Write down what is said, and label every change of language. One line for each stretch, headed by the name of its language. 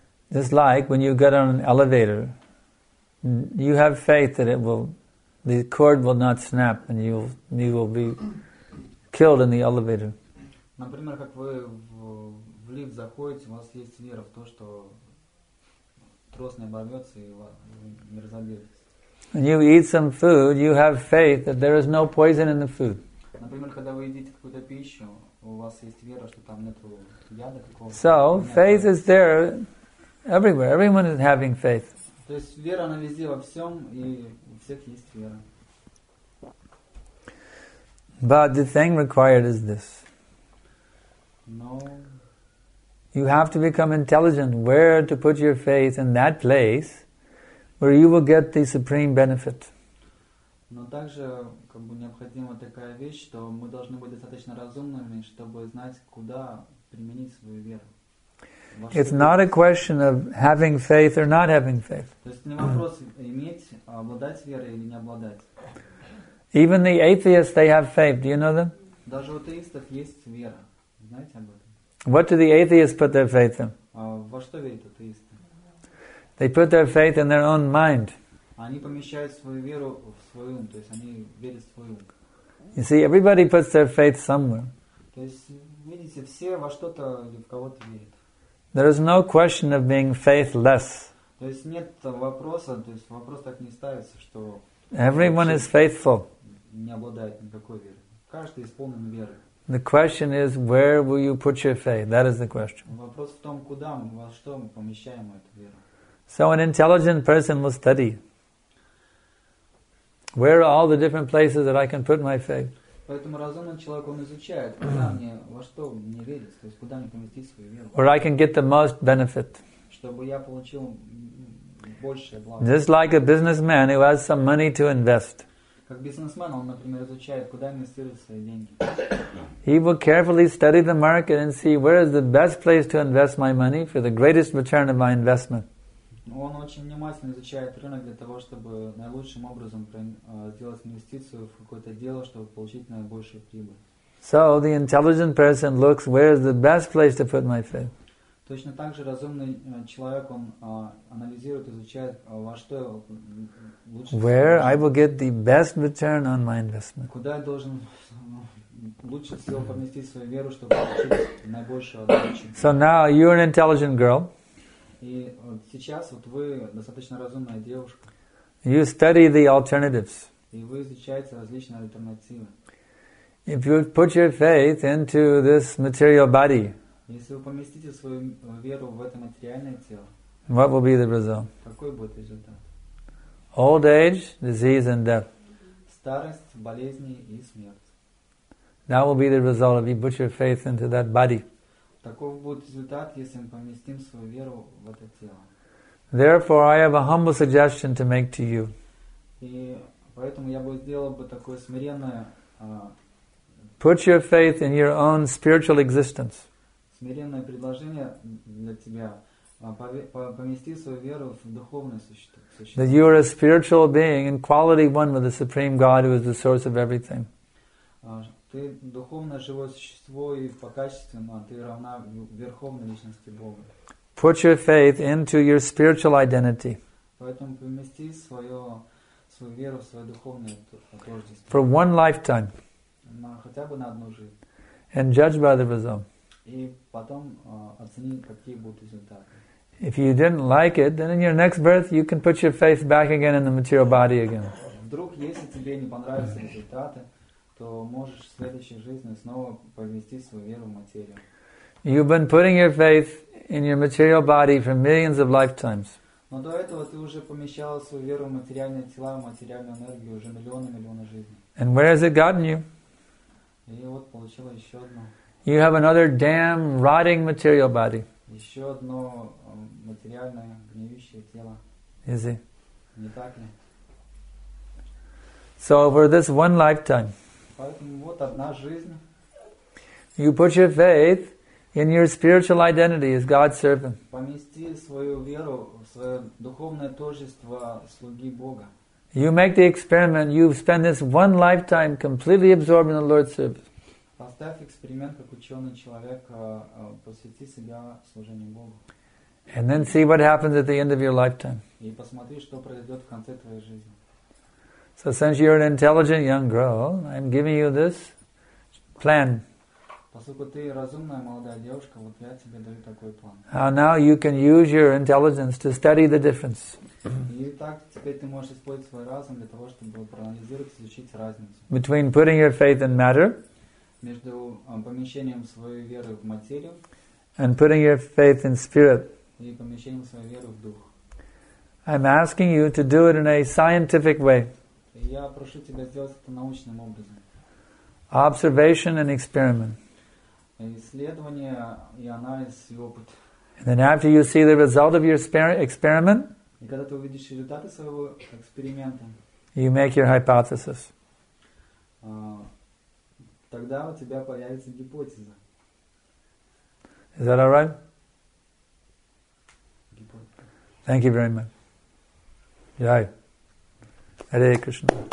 English: Just like when you get on an elevator, you have faith that it will, the cord will not snap and you will be killed in the elevator.
Russian: Например, как вы в лифт заходите, у вас есть вера в то, что трос не оборвется и не разобьется.
English: When you eat some food, you have faith that there is no poison in the food.
Russian: Например, когда вы едите какую-то пищу, у вас есть вера, что там нет яда какого-то.
English: So, faith is there everywhere. Everyone is having faith.
Russian: То есть вера она везде во всем, и у всех есть вера.
English: But the thing required is this. No. You have to become intelligent where to put your faith in that place where you will get the supreme benefit.
Russian: Но также как бы необходима такая вещь, что мы должны быть достаточно разумными, чтобы знать, куда применить свою веру.
English: It's not a question of having faith or not having faith.
Russian: То есть не вопрос иметь, обладать верой или не обладать.
English: Even the atheists, they have faith. Do you know them?
Russian: Даже у атеистов есть вера. Знаете об этом?
English: What do the atheists put their faith in?
Russian: Во что верят атеисты?
English: They put their faith in their own mind.
Russian: Они помещают свою веру в свой ум, то есть они верят в свой ум.
English: You see, everybody puts their faith somewhere.
Russian: То есть, видите, все во что-то или в кого-то верят.
English: There is no question of being faithless.
Russian: То есть нет вопроса, то есть вопрос так не ставится, что
English: everyone is faithful.
Russian: Не обладает никакой верой. Каждый исполнен веры.
English: The question is, where will you put your faith? That is the question.
Russian: Вопрос в том, куда мы, во что мы помещаем эту веру.
English: So an intelligent person will study. Where are all the different places that I can put my faith?
Russian: Поэтому разумный человек он изучает, куда мне, во что мне верить, то есть куда мне поместить свою веру.
English: Where I can get the most benefit.
Russian: Чтобы я получил большее благо.
English: Just like a businessman who has some money to invest.
Russian: Как бизнесмен, он, например, изучает, куда инвестировать свои деньги.
English: He will carefully study the market and see where is the best place to invest my money for the greatest return of my investment.
Russian: Он очень внимательно изучает рынок для того, чтобы наилучшим образом сделать инвестицию в какое-то дело, чтобы получить наибольшую прибыль.
English: So the intelligent person looks where is the best place to put my faith.
Russian: Точно так же разумный человек, он анализирует, изучает, во что лучше
English: Where I will get the best return on my investment.
Russian: Куда я должен лучше всего поместить свою веру, чтобы получить наибольшую отдачу.
English: So now you're an intelligent girl.
Russian: И сейчас вот вы достаточно разумная девушка.
English: You study the alternatives.
Russian: И вы изучаете различные альтернативы.
English: If you put your faith into this material body,
Russian: если вы поместите свою веру в это материальное тело,
English: what will be the result?
Russian: Какой будет результат?
English: Old age, disease and death.
Russian: Старость, болезни и смерть.
English: That will be the result if you put your faith into that body.
Russian: Таков будет результат, если мы поместим свою веру в это тело.
English: Therefore, I have a humble suggestion to make to you.
Russian: И поэтому я бы сделал бы такое смиренное.
English: Put your faith in your own spiritual existence.
Russian: Смиренное предложение для тебя. Помести свою веру в духовное существо.
English: That you are a spiritual being in quality one with the Supreme God who is the source of everything.
Russian: Ты духовное живое существо и по качеству, но ты равна верховной личности Бога.
English: Put your faith into your spiritual identity.
Russian: Поэтому помести свою веру в свое духовное тождество.
English: For one lifetime.
Russian: На хотя бы на одну жизнь.
English: And judge by the result.
Russian: И потом оцени, какие будут результаты.
English: If you didn't like it, then in your next birth you can put your faith back again in the material body again.
Russian: Вдруг, если тебе не понравятся результаты, то можешь в следующей жизни снова повести свою веру в материю.
English: You've been putting your faith in your material body for millions of lifetimes.
Russian: Но до этого ты уже помещал свою веру в материальные тела, в материальную энергию уже миллионы жизней.
English: And where has it gotten you?
Russian: И вот получила еще одно.
English: You have another damn rotting material body.
Russian: Еще одно материальное гниющее тело.
English: Is it?
Russian: Не так ли?
English: So over this one lifetime.
Russian: Поэтому вот одна жизнь.
English: You put your faith in your spiritual identity as God's servant.
Russian: Помести свою веру в свое духовное тождество слуги Бога.
English: You make the experiment. You spend this one lifetime completely absorbed in the Lord's service.
Russian: Поставь эксперимент, как ученый человек, посвяти себя служению Богу.
English: And then see what happens at the end of your lifetime.
Russian: И посмотри, что произойдет в конце твоей жизни.
English: So since you're an intelligent young girl, I'm giving you this plan.
Russian: Поскольку ты разумная молодая девушка, вот я тебе даю такой план.
English: Now you can use your intelligence to study the difference.
Russian: И так теперь ты можешь использовать свой разум для того, чтобы проанализировать, изучить разницу.
English: Between putting your faith in matter.
Russian: Между помещением своей веры в материю.
English: And putting your faith in spirit.
Russian: И помещением своей веры в дух.
English: I'm asking you to do it in a scientific way.
Russian: Я прошу тебя сделать это научным образом.
English: Observation and experiment.
Russian: Исследование и анализ и опыт.
English: And then after you see the result of your experiment,
Russian: и когда ты увидишь результаты своего эксперимента,
English: you make your hypothesis.
Russian: Тогда у тебя появится гипотеза.
English: Is that all right?
Russian: Гипотеза.
English: Thank you very much. Jai. Hare Krishna.